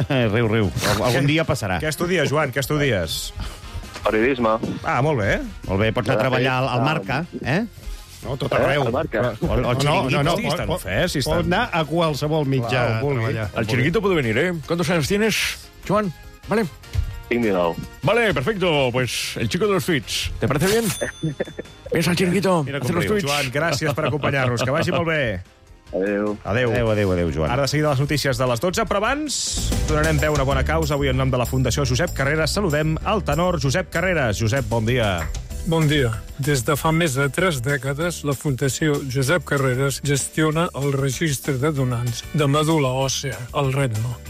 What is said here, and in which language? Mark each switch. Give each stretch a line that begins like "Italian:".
Catalan: Riu. Algun dia passarà. Què estudies, Joan? Què estudies? Periodisme. Ah, molt bé. Molt bé, pots anar a treballar al Marca, eh? No, tot arreu. No, estiguis tan ofès. Pot anar a qualsevol mitjà.
Spanish: El Chiringuito puede venir, eh? ¿Cuántos años tienes, Joan? Vale.
Catalan: Tinc 19.
Spanish: Vale, perfecto. Pues el chico de los fits. ¿Te parece bien?
Catalan: Vés al Chiringuito. Mira com riu, Joan. Gràcies per acompanyar-nos. Que vagi molt bé. Adéu, Joan. Ara de seguida les notícies de les 12, però abans donarem veu a una bona causa. Avui en nom de la Fundació Josep Carreras saludem el tenor Josep Carreras. Josep, bon dia. Bon dia. Des de fa més de 3 dècades, la Fundació Josep Carreras gestiona el registre de donants de medula òssea al Regne.